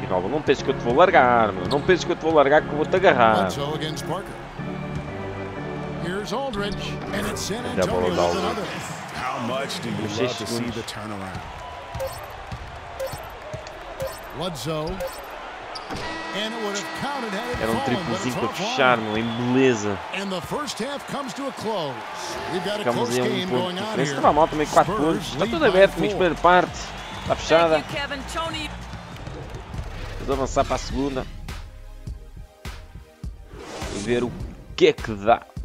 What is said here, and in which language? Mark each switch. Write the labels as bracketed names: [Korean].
[Portuguese] Não penses que eu te vou largar, mano. Não penses que eu te vou largar, que eu vou te agarrar. [English] Here's Aldridge, and it's San Antonio with another. How much do you love to see the turnaround? [Portuguese] Wadzo. [English] And it would have counted had it fallen. [Portuguese] Era um triplozinho para fechar, mano. Em beleza. [English] And the first half comes to a close. We've got a close game going on here. [Portuguese] Estava mal também, 4 pontos. Está tudo aberto, mas primeira parte está fechada. Vamos avançar para a segunda e ver o que é que dá.